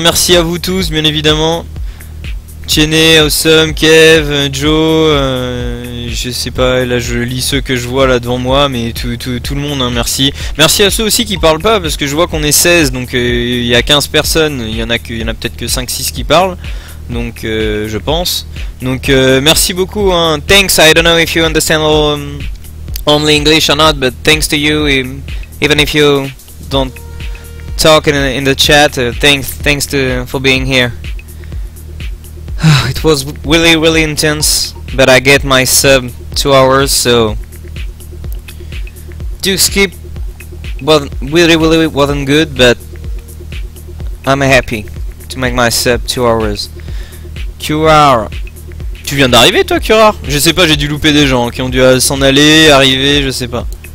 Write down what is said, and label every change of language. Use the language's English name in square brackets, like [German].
[French] Merci à vous tous bien évidemment. Tchéné, Awesome, Kev, Joe, je sais pas, là je lis ceux que je vois là devant moi, mais tout le monde, hein, merci. Merci à ceux aussi qui parlent pas, parce que je vois qu'on est 16, donc il y a 15 personnes, il y en a peut-être que 5-6 qui parlent, donc je pense. Donc merci beaucoup, hein. [English] Thanks, I don't know if you understand all, only English or not, but thanks to you, even if you don't talk in the chat, thanks for being here. It was really really intense, but I get my sub 2 hours, so Duke Skip wasn't good, but I'm happy to make my sub 2 hours. [French] QR, tu viens d'arriver toi QR? Je sais pas, j'ai dû louper des gens qui ont dû s'en aller, arriver, je sais pas.